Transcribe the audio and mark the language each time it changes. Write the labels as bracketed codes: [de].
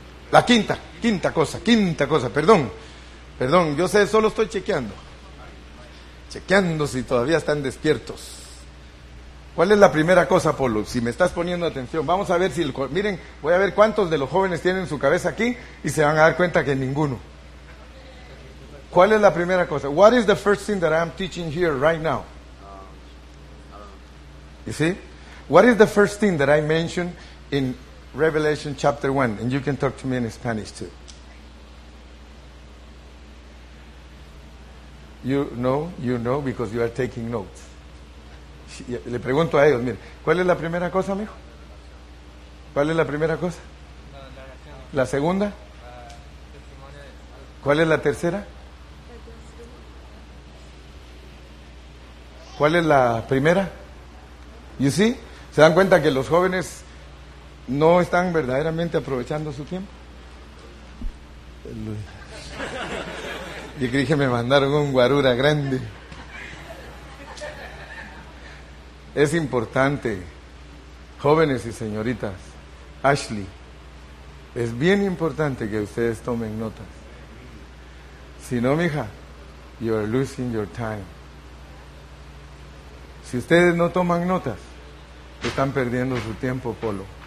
[es] La quinta cosa, perdón, yo sé, solo estoy chequeando. Chequeando si todavía están despiertos. ¿Cuál es la primera cosa, Polo? Si me estás poniendo atención, vamos a ver si el, miren, voy a ver cuántos de los jóvenes tienen su cabeza aquí y se van a dar cuenta que ninguno. ¿Cuál es la primera cosa? [en] What is the first thing that I'm teaching here right now? You see? What is the first thing that I mentioned in Revelation chapter 1? And you can talk to me in Spanish too. You know, because you are taking notes. [es] Le pregunto a ellos, mire, ¿cuál es la primera cosa, mijo? ¿Cuál es la primera cosa? ¿La segunda? ¿Cuál es la tercera? ¿Cuál es la primera? [en] You see? [es] ¿Se dan cuenta que los jóvenes no están verdaderamente aprovechando su tiempo? Y dije, me mandaron un guarura grande. Es importante, jóvenes y señoritas, Ashley, es bien importante que ustedes tomen notas. Si no, mija, [en] you are losing your time. [es] Si ustedes no toman notas, están perdiendo su tiempo, Polo.